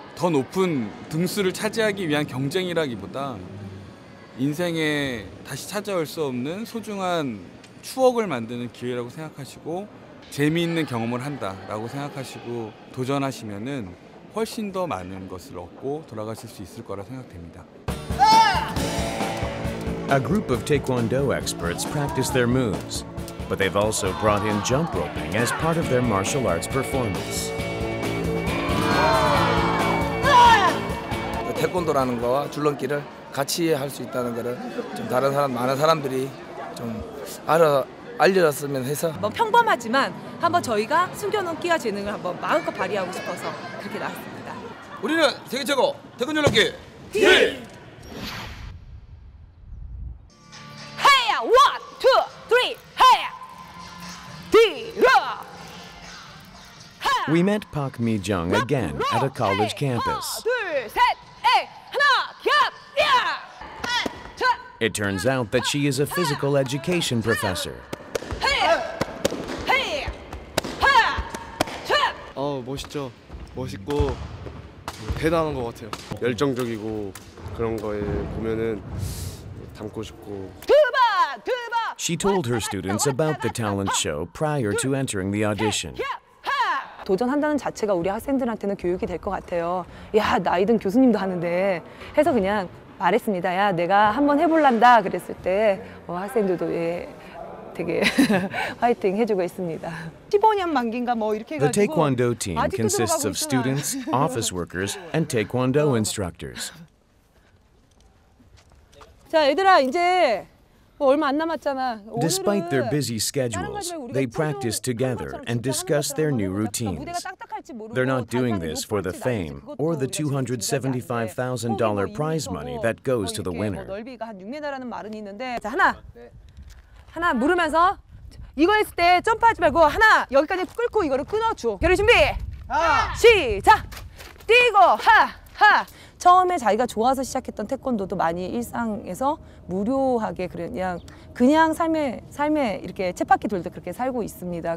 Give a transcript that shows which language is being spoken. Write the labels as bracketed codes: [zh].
[ko] 높은 등수를 차지하기 위한 경쟁이라기보다 인생에 다시 찾아올 수 없는 소중한 추억을 만드는 기회라고 생각하시고 재미있는 경험을 한다라고 생각하시고 도전하시면은 훨씬 더 많은 것을 얻고 돌아가실 수 있을 거라 생각됩니다. [en] A group of Taekwondo experts practice their moves, but they've also brought in jump roping as part of their martial arts performance. [ko] 태권도라는 거와 줄넘기를 같이 할 수 있다는 거를 좀 다른 사람 많은 사람들이 좀 알려줬으면 해서 뭐 평범하지만 한번 저희가 숨겨놓은 끼와 재능을 한번 마음껏 발휘하고 싶어서 그렇게 나왔습니다. 우리는 세계 최고 태권 줄넘기 팀! 헤야 [en] 원, 투, 쓰리, [ko] 헤야! 디러! [en] We met Park Mi-jung again at a college campus. [ko] 하나, 둘, 셋, 에, 하나, 겹, 야! [en] It turns out that she is a physical education professor. [ko] 멋있죠. 멋있고 대단한 것 같아요. 열정적이고 그런 거에 보면은 닮고 싶고. [en] She told her students about the talent show prior to entering the audition. [ko] 도전한다는 자체가 우리 학생들한테는 교육이 될 것 같아요. 야, 나이든 교수님도 하는데 해서 그냥 말했습니다. 야, 내가 한번 해볼란다 그랬을 때 학생들도 예, 되게 화이팅 해주고 있습니다. 15년 만기인가 뭐 이렇게 해가지고 [en] The Taekwondo team consists of students, office workers, and Taekwondo instructors. [ko] 자, 얘들아 이제 뭐 얼마 안 남았잖아. [en] Despite their busy schedules, they practice together and discuss their new routines. They're not doing this for the fame or the $275,000 prize money that goes to the winner. [ko] 넓이가 한 6m라는 말은 있는데 자, 하나. 하나 물으면서 이거 했을 때 점프하지 말고 하나 여기까지 끌고 이거를 끊어 줘. 결의 준비. 시작. 뛰고 하. 하. 처음에 자기가 좋아서 시작했던 태권도도 많이 일상에서 무료하게 그냥 삶에 이렇게 쳇바퀴 돌듯 그렇게 살고 있습니다.